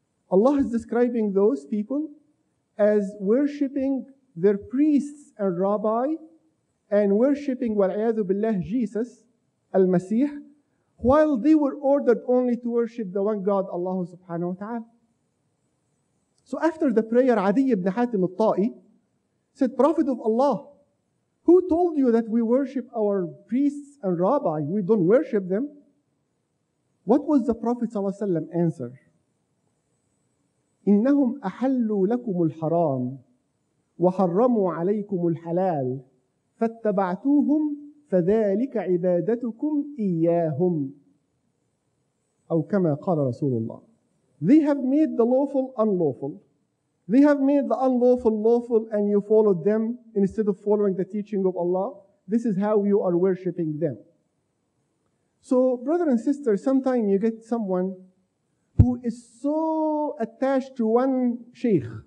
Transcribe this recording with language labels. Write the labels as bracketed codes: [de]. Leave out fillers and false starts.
[en] Allah is describing those people as worshipping their priests and rabbi and worshipping [ar] وَالْعَيَاذُ بِاللَّهِ [en] Jesus, Al-Masih, while they were ordered only to worship the one God, Allah subhanahu wa ta'ala. So after the prayer, Adi ibn Hatim al-Ta'i said, Prophet of Allah, who told you that we worship our priests and rabbi? We don't worship them. What was the Prophet sallallahu alayhi wa sallam answer? [ar] إنهم أحلوا لكم الحرام وحرموا عليكم الحلال فاتبعتوهم فذلك عبادتكم إياهم. أو كما قال رسول الله. [en] They have made the lawful unlawful. They have made the unlawful lawful and you followed them instead of following the teaching of Allah. This is how you are worshipping them. So, brother and sister, sometimes you get someone who is so attached to one sheikh.